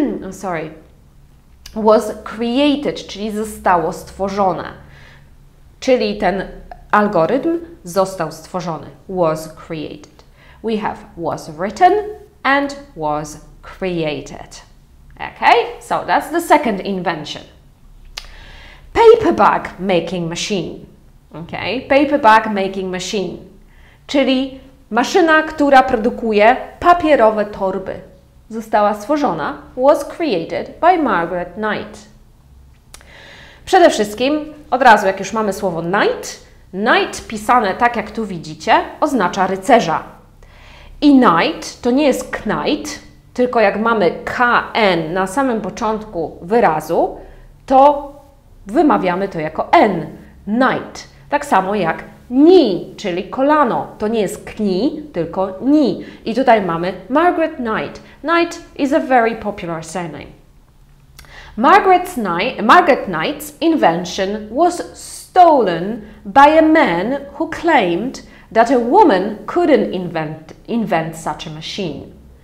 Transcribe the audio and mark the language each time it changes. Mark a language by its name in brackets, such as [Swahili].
[English] Sorry, was created, [Polish] czyli zostało stworzone, czyli ten algorytm został stworzony. [English] Was created. We have was written and was created. Okay, so that's the second invention. Paperback making machine. Okay. Paperback making machine. [Polish] Czyli maszyna, która produkuje papierowe torby. Została stworzona. [English] Was created by Margaret Knight. [Polish] Przede wszystkim, od razu jak już mamy słowo knight, knight pisane tak jak tu widzicie, oznacza rycerza. I knight to nie jest knight, tylko jak mamy kn na samym początku wyrazu, to wymawiamy to jako N, knight. Tak samo jak knee, czyli kolano. To nie jest knee, tylko knee. I tutaj mamy Margaret Knight. [English] Knight is a very popular surname. Margaret Knight's invention was stolen by a man who claimed that a woman couldn't invent such a machine.